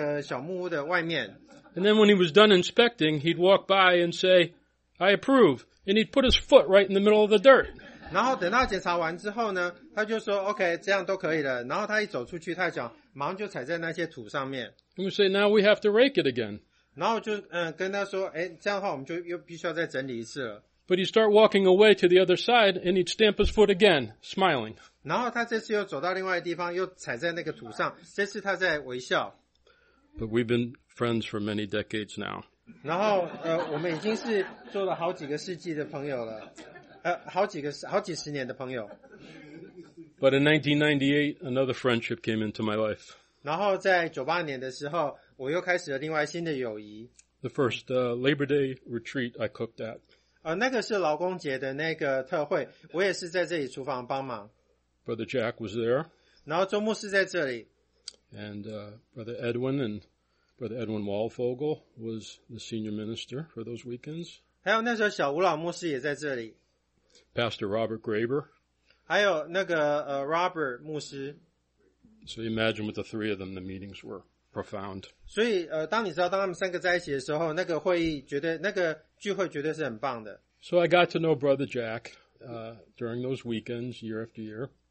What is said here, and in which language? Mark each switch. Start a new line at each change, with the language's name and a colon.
English: And then when he was done inspecting, he'd walk by and say, I approve. And he'd put his foot right in the middle of the dirt.
Chinese: 然后等到检查完之后呢, 他就说, okay, 这样都可以了。然后他一走出去, 他讲, 忙就踩在那些土上面。
English: And we say, now we have to rake it again.
Chinese: 然后就, 跟他说, 诶, 这样的话我们就又必须要再整理一次了。
English: But he'd start walking away to the other side, and he'd stamp his foot again, smiling.
Chinese: 然后他这次又走到另外一地方, 又踩在那个土上, 这次他在微笑。
English: But we've been friends for many decades now.
Chinese: 然后, 我们已经是做了好几个世纪的朋友了。好几十年的朋友.
English: But in 1998, another friendship came into my life.
Chinese: 然后在98年的时候, 我又开始了另外新的友谊。
English: The first Labor Day retreat I cooked at.
Chinese: 那个是劳工节的那个特会, 我也是在这里厨房帮忙。
English: Brother Jack was there.
Chinese: 然后周牧师在这里。
English: And Brother Edwin and Brother Edwin Walfogel was the senior minister for those weekends.
Chinese: 还有那时候小吴老牧师也在这里。
English: Pastor Robert Graber.
Chinese: 还有那个, Robert 牧师。
English: So imagine with the three of them, the meetings were profound.
Chinese: 所以, 当你知道当他们三个在一起的时候,那个聚会绝对是很棒的。
English: So I got to know Brother Jack, during those weekends, year after year.